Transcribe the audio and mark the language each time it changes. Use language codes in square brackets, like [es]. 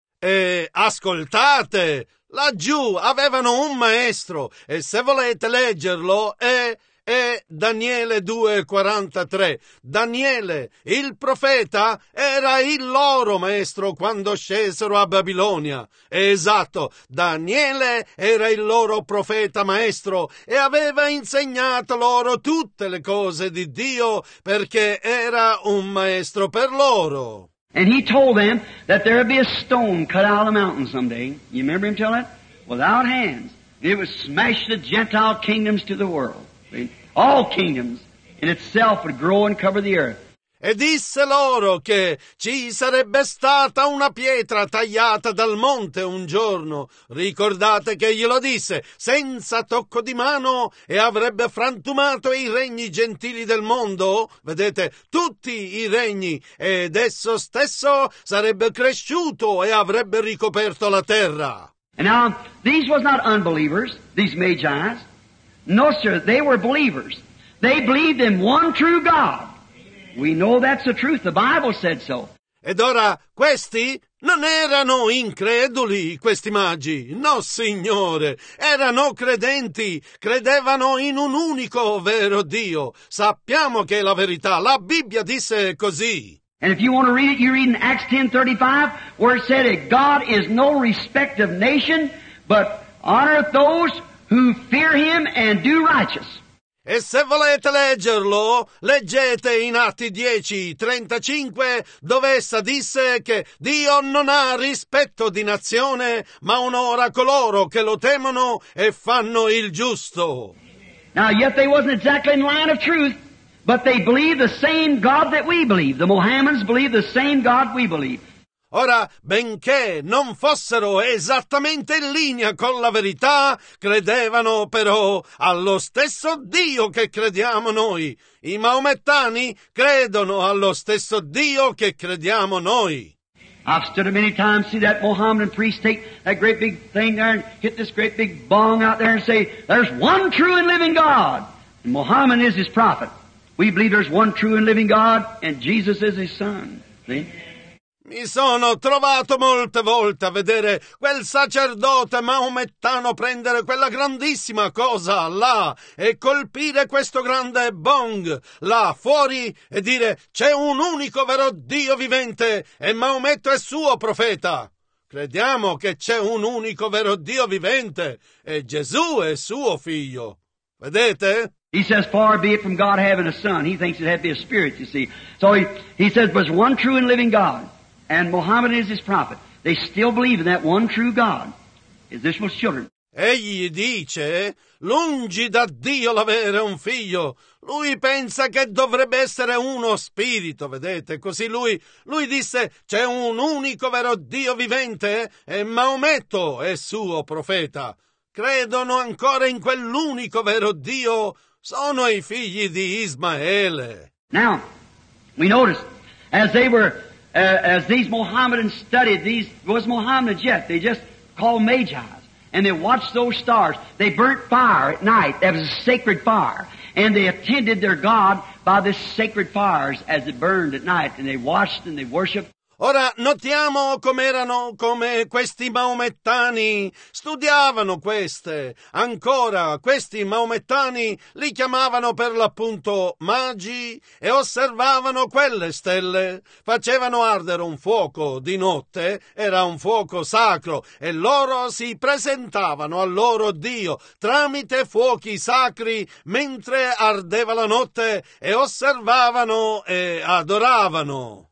[it] E ascoltate, laggiù avevano un maestro, e se volete leggerlo, è Daniele 2:43. Daniele, il profeta, era il loro maestro quando scesero a Babilonia. Esatto, Daniele era il loro profeta maestro e aveva insegnato loro tutte le cose di Dio perché era un maestro per loro. [en] And he told them that there would be a stone cut out of the mountain someday. You remember him telling that? Without hands. It would smash the Gentile kingdoms to the world. All kingdoms in itself would grow and cover the earth. [it] E disse loro che ci sarebbe stata una pietra tagliata dal monte un giorno. Ricordate che glielo disse, senza tocco di mano, e avrebbe frantumato i regni gentili del mondo. Vedete, tutti i regni, ed esso stesso sarebbe cresciuto e avrebbe ricoperto la terra. [en] And now, these were not unbelievers, these magi's. No, sir, they were believers. They believed in one true God. We know that's the truth. The Bible said so. [it] Ed ora, questi non erano increduli, questi magi. No, signore, erano credenti. Credevano in un unico vero Dio. Sappiamo che è la verità. La Bibbia disse così. [en] And if you want to read it, you read in Acts 10:35, where it said that God is no respect of nation, but honoreth those who fear him and do righteous. [it] E se volete leggerlo, leggete in Atti 10:35, dove essa disse che Dio non ha rispetto di nazione, ma onora coloro che lo temono e fanno il giusto. [en] Now, yet they wasn't exactly in line of truth. But they believe the same God that we believe. The Mohammedans believe the same God we believe. [it] Ora, benché non fossero esattamente in linea con la verità, credevano però allo stesso Dio che crediamo noi. I maomettani credono allo stesso Dio che crediamo noi. [en] I've stood many times, see that Mohammedan priest take that great big thing there and hit this great big bong out there and say, there's one true and living God, and Mohammed is his prophet. We believe there's one true and living God, and Jesus is his son. See? [it] Mi sono trovato molte volte a vedere quel sacerdote maomettano prendere quella grandissima cosa là e colpire questo grande bong là fuori e dire c'è un unico vero Dio vivente e Maometto è suo profeta. Crediamo che c'è un unico vero Dio vivente e Gesù è suo figlio. Vedete? [en] He says, far be it from God having a son. He thinks it had to be a spirit, you see. So he says, but there's one true and living God. And Muhammad is his prophet. They still believe in that one true God. Is this one's children? [it] Egli dice, lungi da Dio l'avere un figlio. Lui pensa che dovrebbe essere uno spirito, vedete? Così lui disse, c'è un unico vero Dio vivente e Maometto è suo profeta. Credono ancora in quell'unico vero Dio. Sono i figli di Ismaele. [en] Now, we notice, as they were... As these Mohammedans studied, these was Mohammedans yet. They just called Magi's, and they watched those stars. They burnt fire at night. That was a sacred fire, and they attended their God by this sacred fires as it burned at night, and they watched and they worshipped. [it] Ora notiamo come questi maomettani studiavano queste. Ancora, questi maomettani li chiamavano per l'appunto magi e osservavano quelle stelle. Facevano ardere un fuoco di notte, era un fuoco sacro, e loro si presentavano al loro Dio tramite fuochi sacri mentre ardeva la notte e osservavano e adoravano.